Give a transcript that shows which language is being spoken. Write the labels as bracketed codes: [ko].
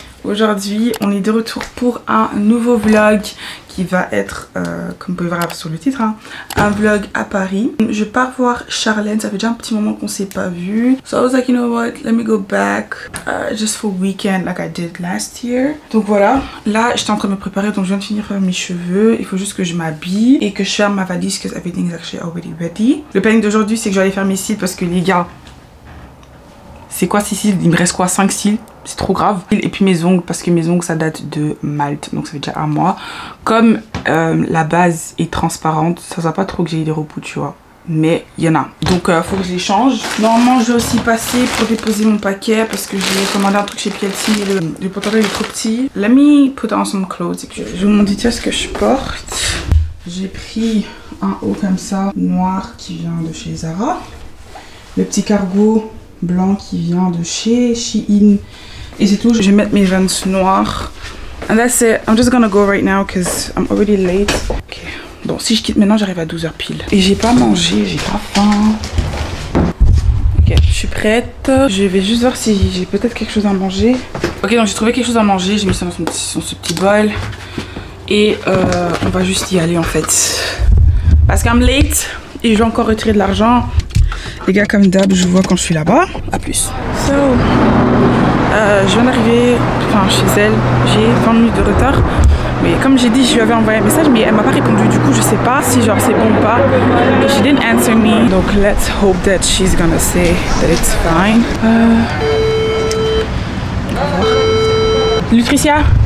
[fr] Aujourd'hui, on est de retour pour un nouveau vlog qui va être, comme vous pouvez voir sur le titre, hein, un vlog à Paris. Je pars voir Charlène, ça fait déjà un petit moment qu'on ne s'est pas vu. [en] So I was like, you know what, let me go back just for weekend like I did last year. [fr] Donc voilà, là j'étais en train de me préparer, donc je viens de finir mes cheveux. Il faut juste que je m'habille et que je ferme ma valise [en] because everything is actually already ready. [fr] Le planning d'aujourd'hui, c'est que je vais aller faire mes cils parce que les gars, c'est quoi ces cils? Il me reste quoi, 5 cils? C'est trop grave. Et puis mes ongles, parce que mes ongles ça date de Malte, donc ça fait déjà un mois. Comme la base est transparente, ça ne va pas trop que j'ai des repous, tu vois. Mais il y en a. Donc il faut que je les change. Normalement je vais aussi passer pour déposer mon paquet parce que j'ai commandé un truc chez Pielty et le pantalon est trop petit. [en] Let me put on some clothes. [fr] Et puis, je vous montre ce que je porte. J'ai pris un haut comme ça, noir, qui vient de chez Zara. Le petit cargo blanc qui vient de chez Shein. Et c'est tout, je vais mettre mes Vans noirs. [en] And that's it, I'm just gonna go right now because I'm already late. [fr] Ok, bon si je quitte maintenant j'arrive à 12h pile. Et j'ai pas mangé, j'ai pas faim. Ok, je suis prête. Je vais juste voir si j'ai peut-être quelque chose à manger. Ok, donc j'ai trouvé quelque chose à manger, j'ai mis ça dans ce petit bol. Et on va juste y aller en fait. Parce qu' [en] I'm late [fr] et je vais encore retirer de l'argent. Les gars, comme d'hab, je vois quand je suis là-bas. A plus. So, je viens d'arriver chez elle. J'ai 20 minutes de retard. Mais comme j'ai dit, je lui avais envoyé un message, mais elle m'a pas répondu. Du coup, je sais pas si genre c'est bon ou pas. [en] But she didn't answer me. Donc, let's hope that she's gonna say that it's fine. Lutricia?